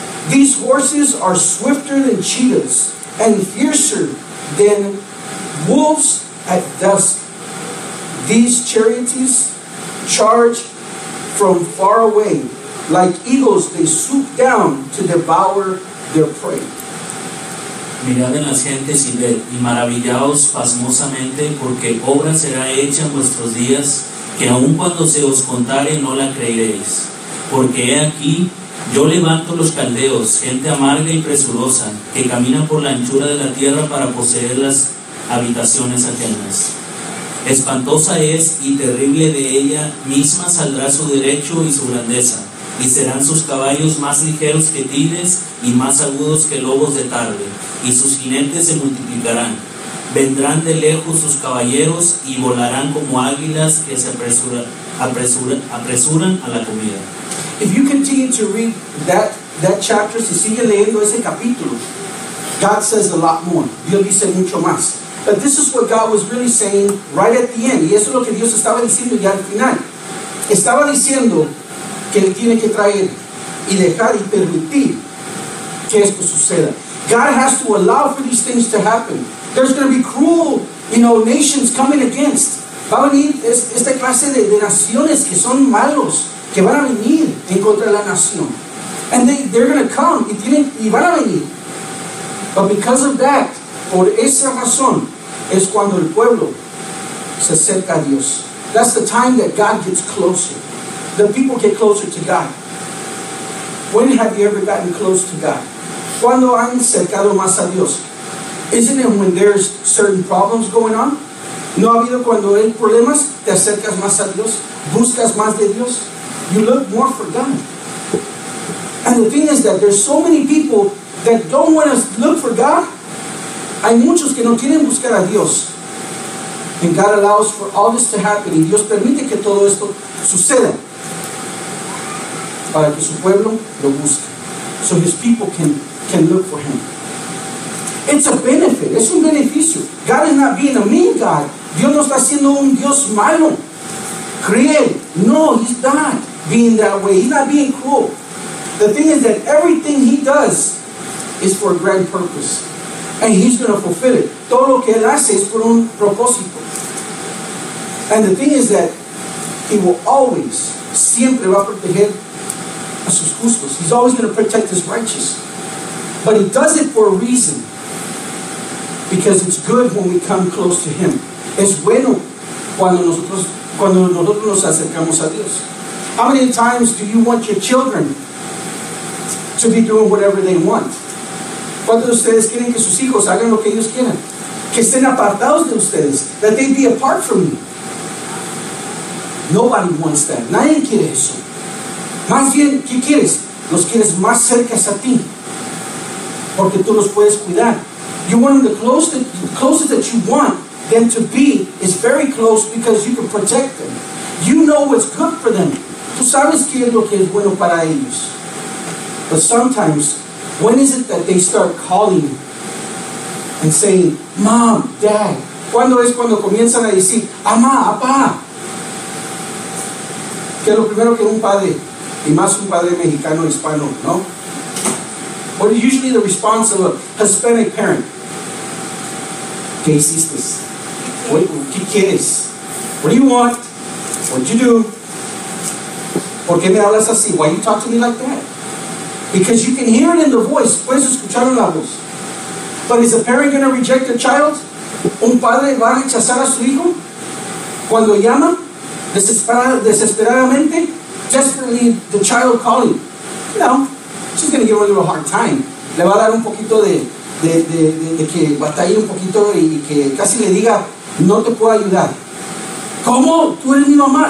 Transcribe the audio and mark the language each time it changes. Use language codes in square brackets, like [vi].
[en] These horses are swifter than cheetahs and fiercer than wolves at dusk. These chariots charge from far away. Like eagles, they swoop down to devour their prey. [es] Mirad en las gentes y ved, y maravillaos pasmosamente, porque obra será hecha en vuestros días, que aun cuando se os contare no la creeréis. Porque he aquí, yo levanto los caldeos, gente amarga y presurosa, que camina por la anchura de la tierra para poseer las habitaciones ajenas. Espantosa es y terrible de ella misma saldrá su derecho y su grandeza. Y serán sus caballos más ligeros que tigres y más agudos que lobos de tarde. Y sus jinetes se multiplicarán. Vendrán de lejos sus caballeros y volarán como águilas que se apresuran a la comida. [en] If you continue to read that chapter, [es] si sigue leyendo ese capítulo, [en] God says a lot more. [es] Dios dice mucho más. [en] But this is what God was really saying right at the end. [es] Y eso es lo que Dios estaba diciendo ya al final. Estaba diciendo que Él tiene que traer y dejar y permitir que esto suceda. [en] God has to allow for these things to happen. There's going to be cruel, you know, nations coming against. [es] Va a venir esta clase de naciones que son malos, que van a venir en contra de la nación. [en] And they're going to come [es] y van a venir. [en] But because of that, [es] por esa razón, es cuando el pueblo se acerca a Dios. [en] That's the time that God gets closer. The people get closer to God. When have you ever gotten close to God? [es] ¿Cuándo han acercado más a Dios? [en] Isn't it when there's certain problems going on? [es] ¿No ha habido cuando hay problemas? ¿Te acercas más a Dios? ¿Buscas más de Dios? [en] You look more for God. And the thing is that there's so many people that don't want to look for God. [es] Hay muchos que no quieren buscar a Dios. [en] And God allows for all this to happen. [es] Y Dios permite que todo esto suceda. Para que su pueblo lo busque. [en] So his people can look for him. It's a benefit. [es] Es un beneficio. [en] God is not being a mean God. [es] Dios no está siendo un Dios malo. [en] Cruel. No, he's not being that way. He's not being cruel. The thing is that everything he does is for a grand purpose. And he's going to fulfill it. [es] Todo lo que él hace es por un propósito. [en] And the thing is that he will always, [es] siempre va a proteger a sus justos. [en] He's always going to protect his righteous. But he does it for a reason. Because it's good when we come close to him. [es] Es bueno cuando nosotros nos acercamos a Dios. [en] How many times do you want your children to be doing whatever they want? [es] ¿Cuántos de ustedes quieren que sus hijos hagan lo que ellos quieran? Que estén apartados de ustedes. [en] That they be apart from you. Nobody wants that. [es] Nadie quiere eso. Más bien, ¿qué quieres? Los quieres más cerca a ti. Porque tú los puedes cuidar. [en] You want them the closest that you want them to be is very close because you can protect them. You know what's good for them. [es] Tú sabes qué es lo que es bueno para ellos. [en] But sometimes, when is it that they start calling and saying, Mom, Dad? [es] ¿Cuándo es cuando comienzan a decir, Amá, Apá? Que lo primero que un padre, y más un padre mexicano, hispano, ¿no? [en] What is usually the response of a Hispanic parent? [es] ¿Qué hiciste? ¿Qué quieres? [en] What do you want? What do you do? [es] ¿Por qué me hablas así? [en] Why do you talk to me like that? Because you can hear it in the voice. [es] Puedes escuchar la voz. [en] But is a parent going to reject a child? [es] ¿Un padre va a rechazar a su hijo? Cuando llama desesperadamente, [en] desperately the child calling. [es] No. [en] She's going to give her a little hard time. [es] Le va a dar un poquito de que batalle un poquito y que casi le diga, no te puedo ayudar. ¿Cómo? ¿Tú eres mi mamá?